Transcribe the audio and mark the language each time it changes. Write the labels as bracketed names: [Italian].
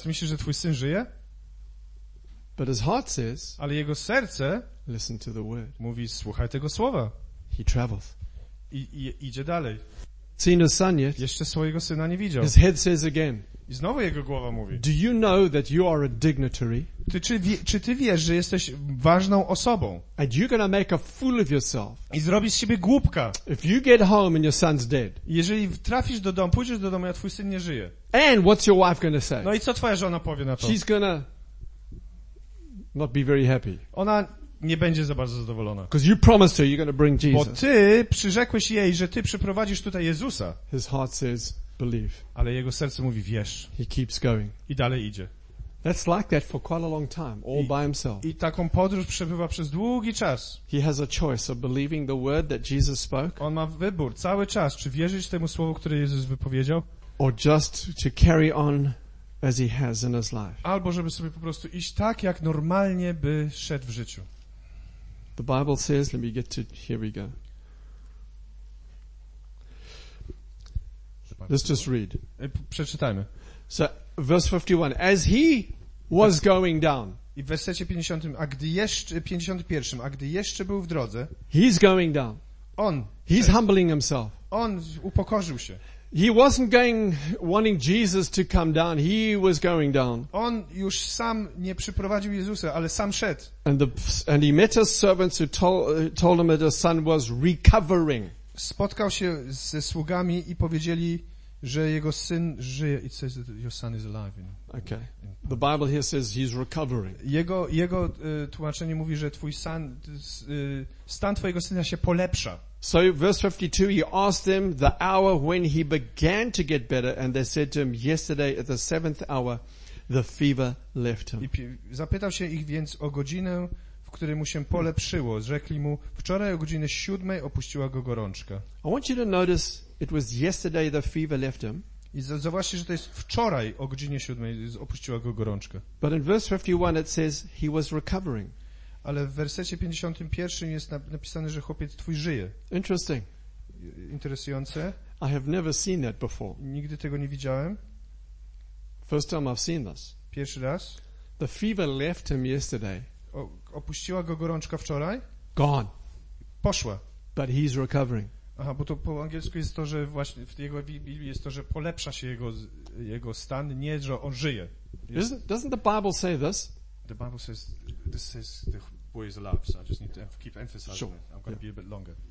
[Polish] Ty myślisz, że twój syn żyje? [English] But his heart says. [Polish] Ale jego serce. [English] Listen to the word. [Polish] Mówi, słuchaj tego słowa. [English] He travels. [Polish] I idzie dalej. [English] Seen his son yet? [Polish] Jeszcze swojego syna nie widział. [English] His head says again. [Polish] I znowu jego głowa mówi. [English] Do you know that you are a dignitary? [Polish] Czy ty wiesz, że jesteś ważną osobą? [English] And you're gonna make a fool of yourself. [Polish] I zrobisz z siebie głupka. [English] If you get home and your son's dead. [Polish] Jeżeli trafisz do domu, pójdziesz do domu, a twój syn nie żyje. [English] And what's your wife gonna say? [Polish] No i co twoja żona powie na to? [English] She's gonna not be very happy. [Polish] Ona nie będzie za bardzo zadowolona. [English] Because you promised her you're gonna bring Jesus. [Polish] Bo ty przyrzekłeś jej, że ty przyprowadzisz tutaj Jezusa. [English] His heart says believe. [Polish] Ale jego serce mówi wierz. [English] He keeps going. [Polish] I dalej idzie. [English] That's like that for quite a long time, all by himself. [Polish] I taką podróż przebywa przez długi czas. [English] He has a choice of believing the word that Jesus spoke. [Polish] On ma wybór cały czas, czy wierzyć temu słowu, które Jezus wypowiedział, [English] or just to carry on as he has in his life. [Polish] Albo żeby sobie po prostu iść tak, jak normalnie by szedł w życiu. [English] The Bible says, let me get to, here we go. Let's just read. [Polish] Przeczytajmy. [English] So, verse 51, as he was going down. [Polish] I w wersecie 50, a gdy jeszcze, 51, a gdy jeszcze był w drodze. [English] He's going down. [Polish] On. [English] He's humbling himself. [Polish] On upokorzył się. [English] He wasn't going, wanting Jesus to come down. He was going down. [Polish] On już sam nie przyprowadził Jezusa, ale sam szedł. [English] And he met his servants who told him that his son was recovering. [Polish] Spotkał się ze sługami i powiedzieli, że jego syn żyje. [English] It says that your son is alive. Okay. The Bible here says he's recovering. [Polish] Jego tłumaczenie mówi, że twój syn, stan twojego syna się polepsza. So verse 52, he asked them the hour when he began to get better, and they said to him, yesterday at the seventh hour, the fever left him. Zapytał się ich więc o godzinę, w której mu się polepszyło. Rzekli mu, wczoraj o godzinie siódmej opuściła go gorączka. [English] I want you to notice, it was yesterday the fever left him. [Polish] I zauważcie, że to jest wczoraj o godzinie siódmej opuściła go gorączka. [English] But in verse 51 it says he was recovering. [Polish] ale w wersecie 51 jest napisane, że chłopiec twój żyje. [English] Interesting. [Polish] Interesujące. [English] I have never seen that before. [Polish] Nigdy tego nie widziałem. [English] First time I've seen this. [Polish] Pierwszy raz. [English] The fever left him yesterday. [Polish] Opuściła go gorączka wczoraj. [English] Gone. [Polish] Poszła. [English] But he's recovering. [Polish] Aha, bo to po angielsku jest to, że właśnie w jego Biblii jest to, że polepsza się jego stan, nie, że on żyje. [English] Doesn't the Bible say this? The Bible says this is the boy's life, so I just need to keep emphasizing sure. it. I'm going to be a bit longer.